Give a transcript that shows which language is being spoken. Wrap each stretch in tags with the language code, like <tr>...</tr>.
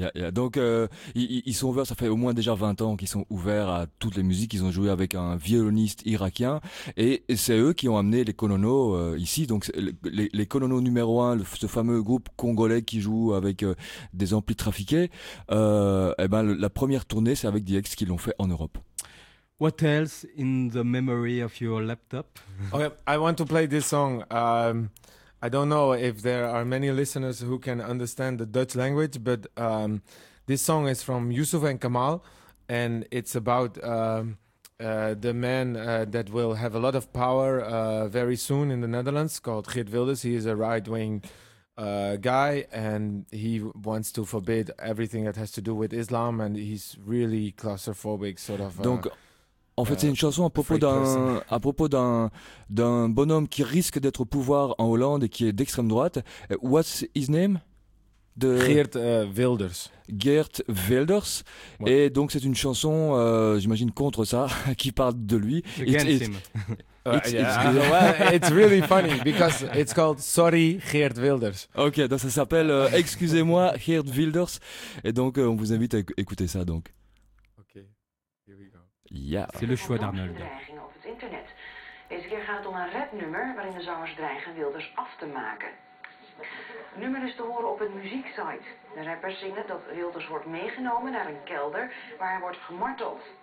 <fr>Donc ils sont ouverts, ça fait au moins déjà 20 ans qu'ils sont ouverts à toutes les musiques. Ils ont joué avec un violoniste irakien et c'est eux qui ont amené les Konono ici. Donc les Konono numéro 1, ce fameux groupe congolais qui joue avec des amplis trafiqués, et ben la première tournée c'est avec DX qui l'ont fait en Europe.</fr> <en>What else in the memory of your laptop? Okay, I want to play this song. I don't know if there are many listeners who can understand the Dutch language, but this song is from Yusuf and Kamal, and it's about the man that will have a lot of power very soon in the Netherlands, called Geert Wilders. He is a right-wing guy, and he wants to forbid everything that has to do with Islam, and he's really claustrophobic, sort of...</en> <fr>En fait, c'est une chanson à propos d'un bonhomme qui risque d'être au pouvoir en Hollande et qui est d'extrême droite.</fr> <en>What's his name? Geert Wilders.</en> <fr>Geert Wilders. Ouais. Et donc, c'est une chanson, j'imagine, contre ça, qui parle de lui.</fr> <en>It's really funny because it's called Sorry Geert Wilders.</en> <fr>Ok, donc ça s'appelle Excusez-moi Geert Wilders. Et donc, on vous invite à écouter ça, donc.</fr> <nl>Ja.</nl> <fr>C'est le choix d'Arnold.</fr> <nl>Deze keer gaat het om een rapnummer waarin de zangers dreigen Wilders af te maken. Het nummer is te horen op een muzieksite. De rappers zingen dat Wilders wordt meegenomen naar een kelder waar hij wordt gemarteld.</nl>